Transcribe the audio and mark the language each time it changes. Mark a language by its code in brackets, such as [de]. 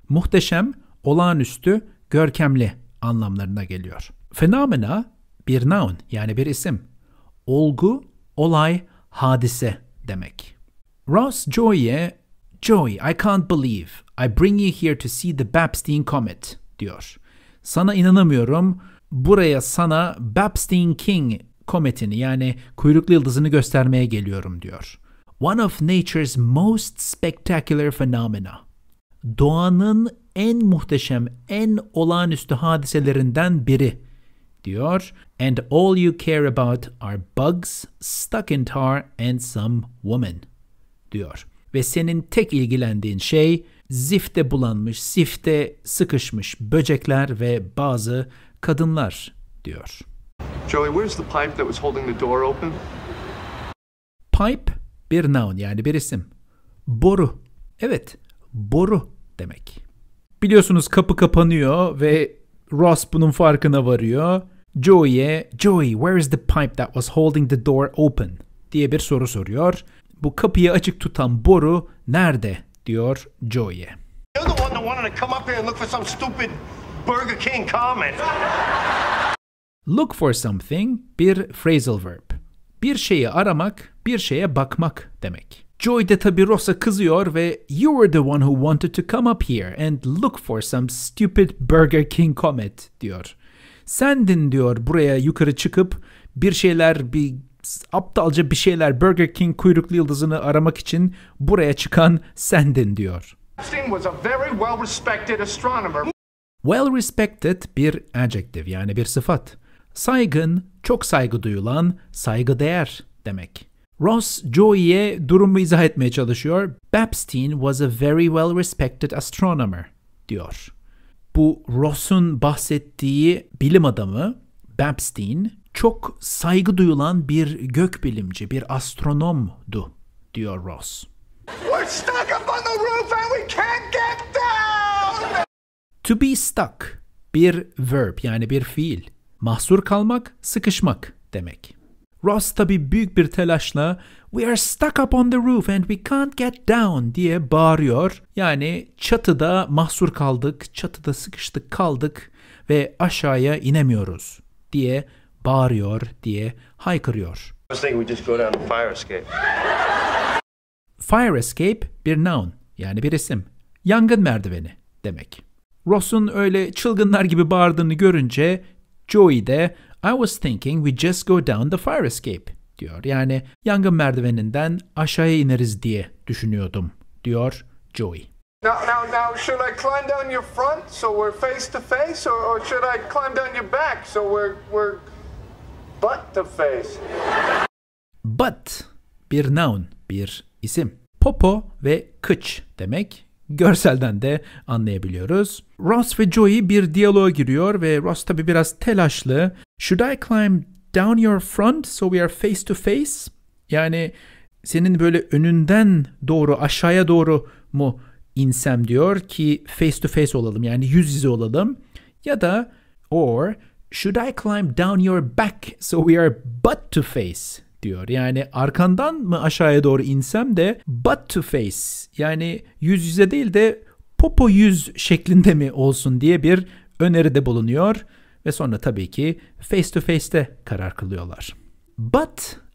[tr] Muhteşem, olağanüstü, görkemli anlamlarına geliyor. Phenomena, bir noun, yani bir isim. Olgu, olay, hadise demek. [en] Ross Joey'e, Joey, I can't believe I bring you here to see the Bapstein Comet, [tr] diyor. Sana inanamıyorum, buraya sana Bapstein King kometini, yani kuyruklu yıldızını göstermeye geliyorum, diyor. [en] One of nature's most spectacular phenomena. [tr] Doğanın en muhteşem, en olağanüstü hadiselerinden biri, diyor. [en] And all you care about are bugs stuck in tar and some woman, [tr] diyor. Ve senin tek ilgilendiğin şey zifte bulanmış, zifte sıkışmış böcekler ve bazı kadınlar, diyor. [en] Joey, where's the pipe that was holding the door open? [tr] Pipe, bir noun, yani bir isim. Boru, evet, boru demek. Biliyorsunuz kapı kapanıyor ve Ross bunun farkına varıyor. [en] Joey'e, Joey, where is the pipe that was holding the door open? [tr] Diye bir soru soruyor. Bu kapıyı açık tutan boru nerede? Diyor Joey'e. [en] You're the one that wanted to come up here and look for some stupid Burger King comment. Look for something, [tr] bir phrasal verb. Bir şeyi aramak, bir şeye bakmak demek. Joey de tabii Rosa kızıyor ve [en] you were the one who wanted to come up here and look for some stupid Burger King comment [tr] diyor. Sendin diyor buraya yukarı çıkıp bir şeyler, bir aptalca bir şeyler, Burger King kuyruklu yıldızını aramak için buraya çıkan sendin diyor. [en] Bapstein was a very well respected astronomer. [tr] Well respected bir adjective, yani bir sıfat. Saygın, çok saygı duyulan, saygı değer demek. Ross Joey'e durumu izah etmeye çalışıyor. [en] Bapstein was a very well respected astronomer [tr] diyor. Bu Ross'un bahsettiği bilim adamı Bapstein çok saygı duyulan bir gökbilimci, bir astronomdu diyor Ross. [en] We're stuck up on the roof and we can't get down. [tr] To be stuck bir verb, yani bir fiil. Mahsur kalmak, sıkışmak demek. Ross tabii büyük bir telaşla [en] "We are stuck up on the roof and we can't get down" [tr] diye bağırıyor. Yani çatıda mahsur kaldık, çatıda sıkıştık kaldık ve aşağıya inemiyoruz diye bağırıyor, diye haykırıyor. [en] I was thinking we just go down the fire escape. [tr] Fire escape bir noun, yani bir isim. Yangın merdiveni demek. Ross'un öyle çılgınlar gibi bağırdığını görünce Joey de [en] I was thinking we just go down the fire escape [tr] diyor. Yani yangın merdiveninden aşağıya ineriz diye düşünüyordum diyor Joey. [en] Now should I climb down your front so we're face to face or should I climb down your back so we're butt to face? [tr] Butt bir noun, bir isim. Popo ve kıç demek. Görselden de anlayabiliyoruz. Ross ve Joey bir diyaloğa giriyor ve Ross tabii biraz telaşlı. [en] Should I climb down your front so we are face to face? [tr] Yani senin böyle önünden doğru aşağıya doğru mu insem diyor ki [en] face to face [tr] olalım, yani yüz yüze olalım. Ya da [en] or should I climb down your back so we are butt to face [tr] diyor. Yani arkandan mı aşağıya doğru insem de [en] butt to face, [tr] yani yüz yüze değil de popo yüz şeklinde mi olsun diye bir öneride bulunuyor. Ve sonra tabii ki face to face'te karar kılıyorlar. Butt